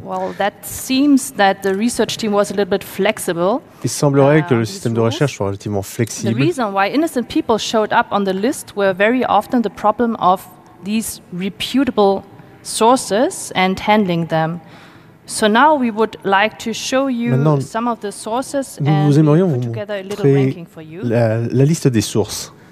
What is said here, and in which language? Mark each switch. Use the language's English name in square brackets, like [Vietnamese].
[English] Well, that seems that the research team was a little bit flexible. [French] Il semblerait que le système de recherche soit relativement flexible. [English] The reason why innocent people showed up on the list were very often the problem of these reputable sources and handling them. So now we would like to show you some of the sources and put together a little ranking for you. La liste des sources.